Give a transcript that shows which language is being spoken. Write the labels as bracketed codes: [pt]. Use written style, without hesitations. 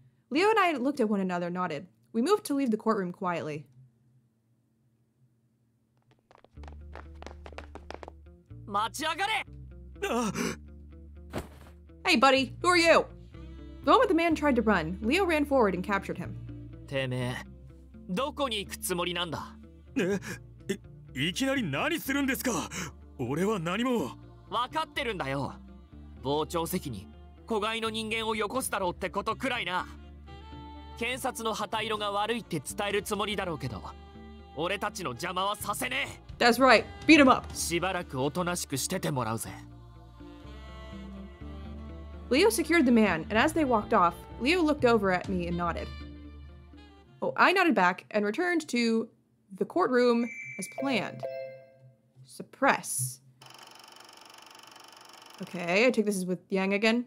[en] Leo and I looked at one another, nodded. We moved to leave the courtroom quietly. Hey, buddy, who are you? The moment the man tried to run, Leo ran forward and captured him. [ja] てめえ、どこに行くつもりなんだ？え、いきなり何するんですか？俺は何も。分かってるんだよ。傍聴席に子飼いの人間をよこすだろうってことくらいな。検察の旗色が悪いって伝えるつもりだろうけど、俺たちの邪魔はさせねえ。 [en] That's right. Beat him up. [ja] しばらくおとなしくしててもらうぜ。 [en] Leo secured the man, and as they walked off, Leo looked over at me and nodded. Oh, I nodded back and returned to the courtroom as planned. Suppress. Okay, I take this as with Yang again.